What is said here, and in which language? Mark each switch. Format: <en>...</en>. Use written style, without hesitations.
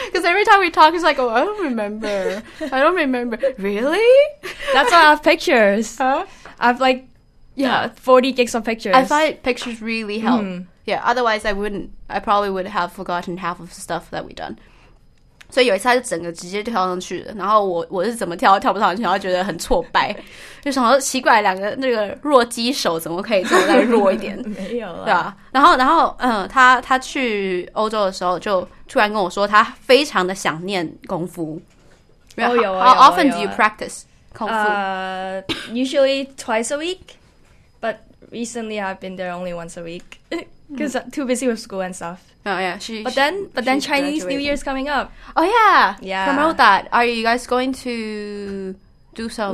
<en>Because every time we talk, it's like, oh, I don't remember. Really? That's why I have pictures. Huh? I have like, yeah, 40 gigs of pictures. I find pictures really help. Mm. Yeah, otherwise I probably would have forgotten half of the stuff that we've done.</en> <zh>所以有一次他就整个直接跳上去了，然后我是怎么跳都跳不上去，然后觉得很挫败，就想说奇怪，两个那个弱鸡手怎么可以这么再弱一点。没有啊，对啊，然后他去欧洲的时候就突然跟我说他非常的想念功夫。哦，有啊。</zh> <en>How often do you practice 功夫？ Usually twice a week, but recently I've been there only once a week because I'm too busy with school and stuff Oh yeah, she. But then Chinese、graduating. New Year's coming up. Oh yeah, yeah. Promote that. Are you guys going to do some</en>